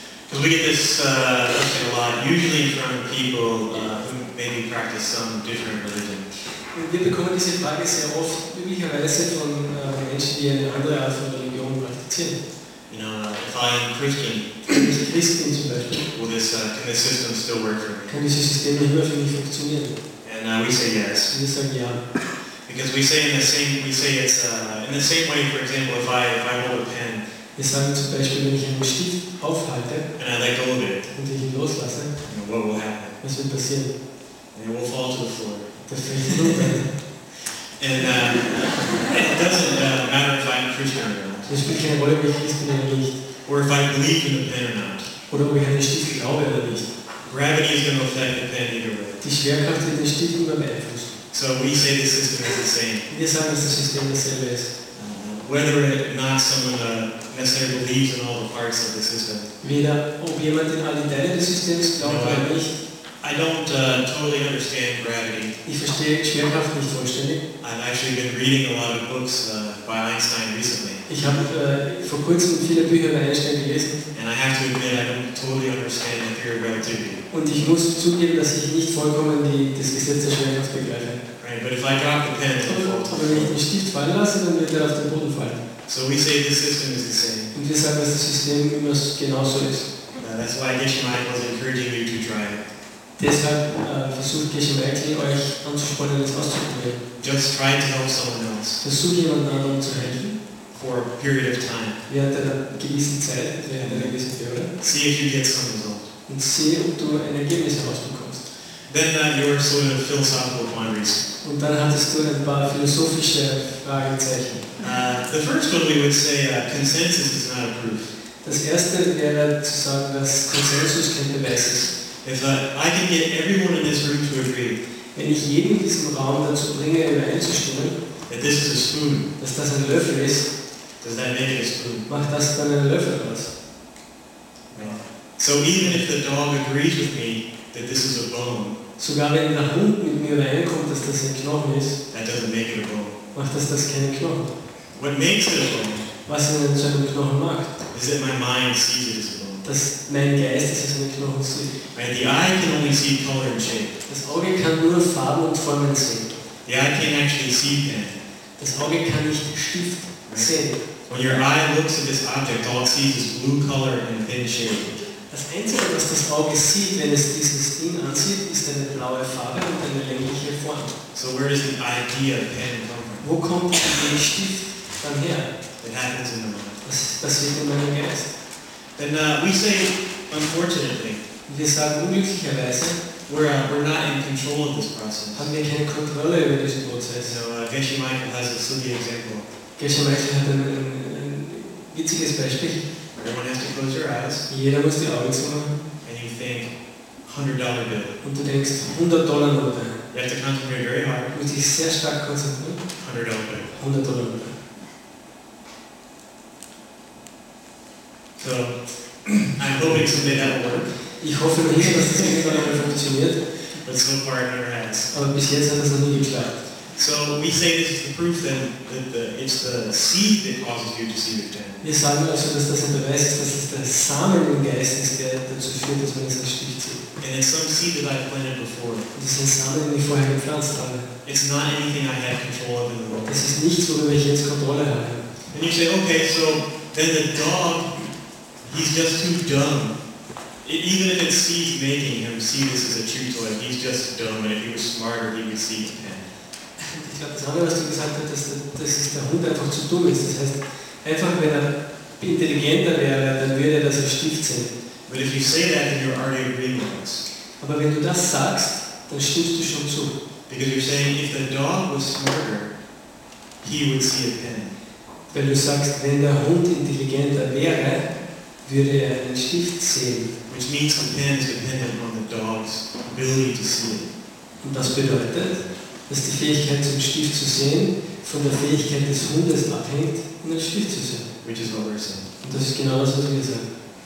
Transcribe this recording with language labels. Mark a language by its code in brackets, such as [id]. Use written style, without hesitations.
[en] Because we get this question a lot, usually from people who maybe practice some different religion. [de] Wir bekommen diese Frage sehr oft, üblicherweise von Menschen, die eine andere Art von Religion praktizieren. [en] You know, if I am Christian, [de] Christen zum Beispiel, [en] can this system still work for me? [de] Kann dieses System nicht mehr für mich funktionieren? [en] And we say yes. [de] Wir sagen ja. [en] Because we say it's in the same way, for example, if I hold a pen. [de] Wir sagen zum Beispiel, wenn ich einen Stift aufhalte [en] and I let go of it, [de] und ich ihn loslasse, [en] you know, what will happen? [de] Was wird passieren? [en] And it will fall to the floor. And it doesn't matter if I'm Christian or not. Or if I believe in the pen or not. [de] Oder ob ich an den Stift glaube oder nicht. [en] Gravity is going to affect the pen either way. [de] Die Schwerkraft wird den Stift immer beeinflussen. [en] So we say the system is the same. [de] Wir sagen, dass das System dasselbe ist. [en] Whether or not someone necessarily believes in all the parts of the system. [de] Weder ob jemand in alle Teile des Systems glaubt oder nicht. [en] I don't totally understand gravity. [de] Ich verstehe Schwerkraft nicht vollständig. [en] I've actually been reading a lot of books by Einstein recently. [de] Ich habe vor kurzem viele Bücher über Einstein gelesen. [en] And I have to admit I don't totally understand the theory of relativity. [de] Und ich muss zugeben, dass ich nicht vollkommen das Gesetz der Schwerkraft begreife. [en] Right, but if I drop the pen, it'll fall. [de] Aber wenn ich den Stift fallen lasse, dann wird er auf den Boden fallen. [en] So we say the system is the same. [de] Und wir sagen, dass das System immer genauso ist. [en] That's why Geshe-Mike was encouraging you to try it. [de] Deshalb versucht Geshe-Merkley euch anzuspornen, es auszuprobieren. [en] Just try to help someone else. [de] Versucht jemanden anderen zu helfen. [en] For a period of time. [de] Während einer gewissen Zeit, während einer gewissen Periode. [en] See if you get some result. [de] Und sehe, ob du ein Ergebnis herausbekommst. [en] Then your sort of philosophical quandaries. [de] Und dann hattest du ein paar philosophische Fragezeichen. [en] The first one we would say, consensus is not a proof. [de] Das erste wäre zu sagen, dass Konsensus kein Beweis ist. [en] If I can get everyone in this room to agree, [de] wenn ich jeden in diesem Raum dazu bringe, übereinzustimmen, [en] that this is a spoon, [de] dass das ein Löffel ist, [en] does that make it a spoon? [de] Macht das dann einen Löffel aus? [en] No. So even if the dog agrees with me that this is a bone, [de] sogar wenn der Hund mit mir übereinkommt, dass das ein Knochen ist, [en] that doesn't make it a bone. [de] Macht das keinen Knochen? [en] What makes it a bone? [de] Was ihn zu einem Knochen macht? [en] Is that my mind sees it as a bone? [de] Dass mein Geist es in den Knochen sieht. [en] Right, the eye can only see color and shape. [de] Das Auge kann nur Farben und Formen sehen. [en] The eye can't actually see pen. [de] Das Auge kann nicht Stift sehen. [en] When your eye looks at this object, all it sees is blue color and thin shape. [de] Das Einzige, was das Auge sieht, wenn es dieses Ding ansieht, ist eine blaue Farbe und eine längliche Form. [en] So where does the idea of pen come from? [de] Wo kommt die Idee Stift dann her? [en] It happens in the mind. [de] Das passiert in meinem Geist. [en] And we say, unfortunately, [de] wir sagen unglücklicherweise, [en] we're not in control of this process. [de] Haben wir keine Kontrolle über diesen Prozess. [en] So Geshe Michael has a silly example. [de] Geshe Michael hat ein witziges Beispiel. [en] Everyone has to close their eyes. [de] Jeder muss die Augen zumachen. [en] And you think, $100 bill. [de] Und du denkst, $100 Note. [en] You have to concentrate very hard. [de] Du musst dich sehr stark konzentrieren. [en] $100 bill. [de] $100 Note. [en] So, I'm hoping someday that will work. [de] Ich hoffe nicht, dass das irgendwann einmal funktioniert. [en] But so far it never has. [de] Aber bis jetzt hat das noch nie geklappt. [en] So, we say this is the proof then that it's the seed that causes you to see your pen. [de] Wir sagen also, dass das ein Beweis ist, dass es der Samen im Geist ist, der dazu führt, dass man es als Stift sieht. [en] and it's some seed that I planted before. [de] Das ist Samen, den ich vorher gepflanzt habe. [en] It's not anything I have control of in the world. [de] Das ist nichts, worüber ich jetzt Kontrolle habe. [en] And you say, okay, so then the dog, he's just too dumb. Even if it's Steve making him see this as a chew toy, he's just dumb, and if he was smarter, he would see it. [de] Ich glaube, das andere, was du gesagt hast, dass der Hund einfach zu dumm ist. Das heißt, einfach wenn er intelligenter wäre, dann würde er das als Stift sehen. [en] But if you say that, then you're already agreeing with us. [de] Aber wenn du das sagst, dann stimmst du schon zu. [en] Because you're saying, if the dog was smarter, he would see a pen. [de] Wenn du sagst, wenn der Hund intelligenter wäre, würde er einen Stift sehen. [en] Which means the pen is dependent on the dog's ability to see it. [de] Und das bedeutet, dass die Fähigkeit zum Stift zu sehen von der Fähigkeit des Hundes abhängt, um den Stift zu sehen. [en] Which is what we're saying. [de] Und das ist genau das, was wir sagen.